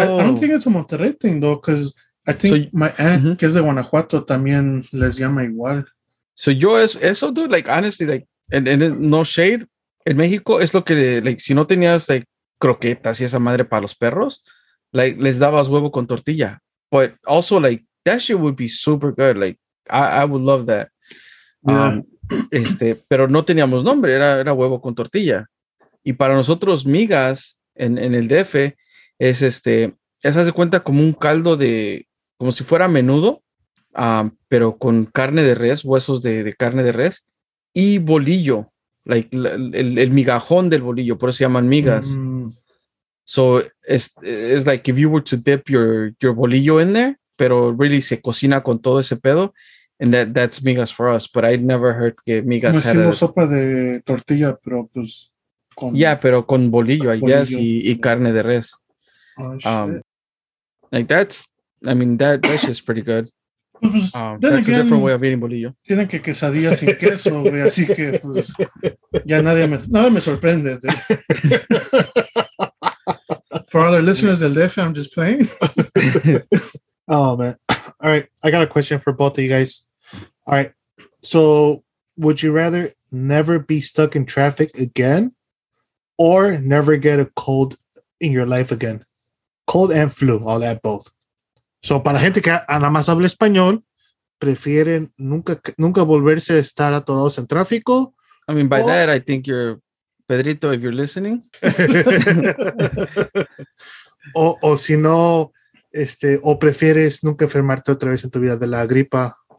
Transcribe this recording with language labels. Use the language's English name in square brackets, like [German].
[English] I don't think it's a Monterrey thing, though, because I think so, my aunt, mm-hmm. [Spanish] que es de Guanajuato, también les llama igual. So yo eso, dude, like, honestly, like, and no shade, en México es lo que, like, si no tenías, like, croquetas y esa madre para los perros, like, les dabas huevo con tortilla. [English] But also, like, that shit would be super good. Like, I would love that. Yeah. [Spanish] Pero no teníamos nombre, era huevo con tortilla. Y para nosotros, migas, en el DF, es este... Esa se cuenta como un caldo de, como si fuera menudo, pero con carne de res, huesos de carne de res y bolillo, like, el migajón del bolillo, por eso se llaman migas. Mm. [English] So it's like if you were to dip your bolillo in there, pero really se cocina con todo ese pedo, and that's migas for us, but I'd never heard que migas [Spanish] had a sopa de tortilla, pero pues con, yeah, pero con bolillo, I guess, y carne de res. [English] Oh, shit. Like that's, I mean, that's just pretty good. That's again, a different way of eating bolillo. [Spanish] Tienen que quesadillas sin queso, güey, así que pues ya nada me sorprende. [English] Dude. For other listeners del DF, I'm just playing. Oh man. All right, I got a question for both of you guys. All right. So, would you rather never be stuck in traffic again or never get a cold in your life again? Cold and flu, all that both. [Spanish] So, para la gente que nada más habla español, prefieren nunca volverse a estar atorados en tráfico. [English] I mean, by that, I think you're Pedrito, if you're listening. [Spanish] o si no, o prefieres nunca enfermarte otra vez en tu vida de la gripa.